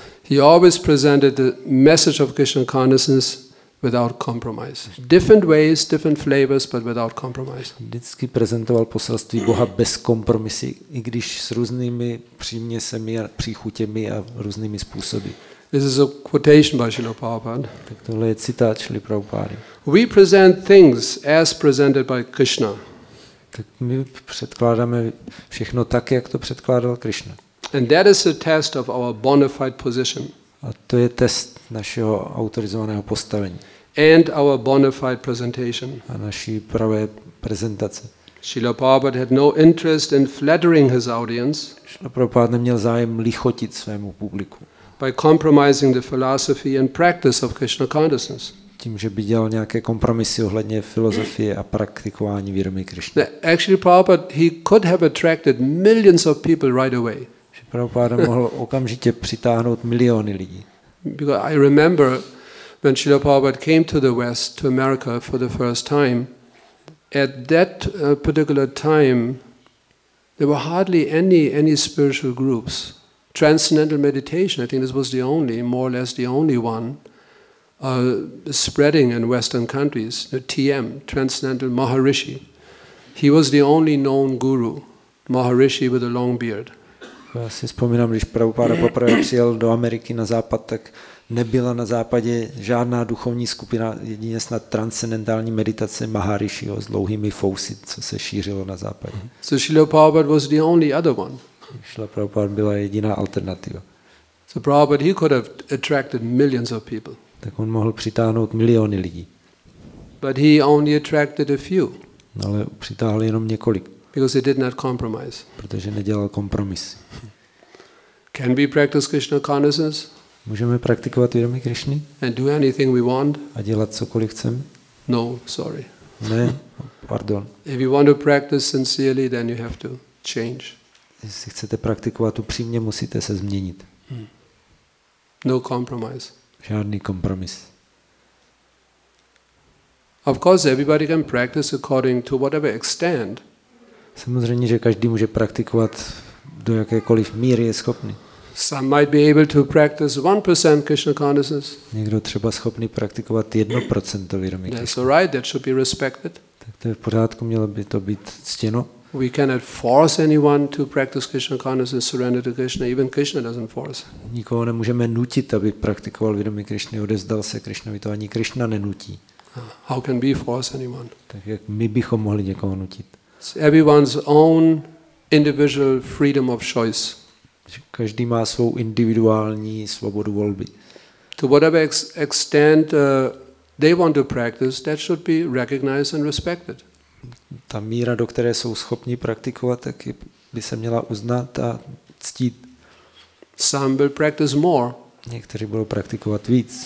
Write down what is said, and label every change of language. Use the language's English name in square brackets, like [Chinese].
[English] He always presented the message of Krishna consciousness without compromise. Different ways, different flavors, but without compromise. [Czech] Vždycky prezentoval poselství Boha bez kompromisy, i když s různými přímněsemi a příchutěmi a různými způsoby. [English] This is a quotation by Srila Prabhupada. [Czech] Tak tohle je citát Srila Prabhupady. [English] We present things as presented by Krishna. [Czech] Tak my předkládáme všechno tak, jak to předkládal Krishna. [English] And that is a test of our bona fide position. [Czech] A to je test našeho autorizovaného postavení. [English] And our bona fide presentation. [Czech] A naší pravé prezentace. [English] Srila Prabhupada had no interest in flattering his audience. [Czech] Srila Prabhupada neměl zájem lichotit svému publiku. [English] By compromising the philosophy and practice of Krishna consciousness. [Czech] Tím, že by dělal nějaké kompromisy ohledně filozofie a praktikování vědomí Krishna. [English] Actually, Prabhupada, he could have attracted millions of people right away. [Czech] Prabhupada mohl okamžitě přitáhnout miliony lidí. [English] Because I remember when Srila Prabhupada came to the West, to America for the first time, at that particular time, there were hardly any spiritual groups. Transcendental meditation, I think this was the only, more or less the only one, spreading in Western countries, the TM, Transcendental Maharishi. He was the only known guru, Maharishi with a long beard. [Czech] Já si vzpomínám, když Prabhupada poprvé přijel do Ameriky na západ, tak nebyla na západě žádná duchovní skupina, jedině snad transcendentální meditace Maharishiho s dlouhými fousy, co se šířilo na západě. [English] So Srila Prabhupada was the only other one. [Czech] Srila Prabhupada byla jediná alternativa. [English] So Prabhupada, he could have attracted millions of people. [Czech] Tak on mohl přitáhnout miliony lidí. [English] But he only attracted a few. [Czech] Ale přitáhl jenom několik. [English] Because he did not compromise. [Czech] Protože nedělal kompromis. [English] Can we practice Krishna consciousness? [Czech] Můžeme praktikovat vědomí Krišny? [English] And do anything we want? [Czech] A dělat cokoliv chceme? [English] No, sorry. [Czech] Ne, pardon. [English] If you want to practice sincerely, then you have to change. [Czech] Jestli chcete praktikovat upřímně, musíte se změnit. [English] No compromise. [Czech] Žádný kompromis. [English] Of course, everybody can practice according to whatever extent. [Czech] Samozřejmě, že každý může praktikovat do jakékoliv míry je schopný. [English] Some might be able to practice 1% Krishna consciousness. [Czech] Někdo třeba schopný praktikovat 1% vědomí. [English] That's all right, that should be respected. [Czech] Tak to je v pořádku, mělo by to být ctěno. [English] We cannot force anyone to practice Krishna consciousness, surrender to Krishna. Even Krishna doesn't force. [Czech] Nikoho nemůžeme nutit, aby praktikoval vědomí Krishny, odezdal se Krishnovi, to ani Krishna nenutí. [English] How can we force anyone? [Czech] Tak jak my bychom mohli někoho nutit? [English] It's everyone's own individual freedom of choice. [Czech] Každý má svou individuální svobodu volby. [English] To whatever extent they want to practice, that should be recognized and respected. [Czech] Ta míra, do které jsou schopni praktikovat, tak by se měla uznat a ctít. [English] Some will practice more. [Czech] Někteří budou praktikovat víc.